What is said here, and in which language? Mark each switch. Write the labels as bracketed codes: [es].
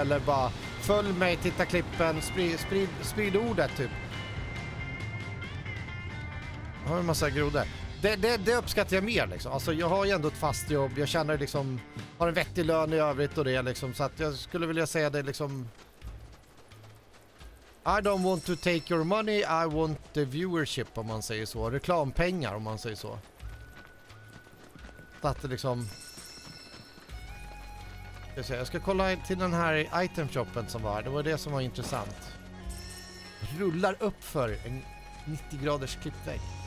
[sv] Eller bara, följ mig, titta klippen, sprid ordet typ. Jag har en massa grodor. Det uppskattar jag mer liksom. Alltså jag har ju ändå ett fast jobb. Jag känner liksom, har en vettig lön i övrigt och det liksom. Så att jag skulle vilja säga det liksom... [en] I don't want to take your money, I want the viewership, [sv] om man säger så. Reklampengar, om man säger så. Att det liksom... Jag ska kolla till den här itemshoppen som var här. Det var det som var intressant. Rullar upp för en 90-graders klippvägg.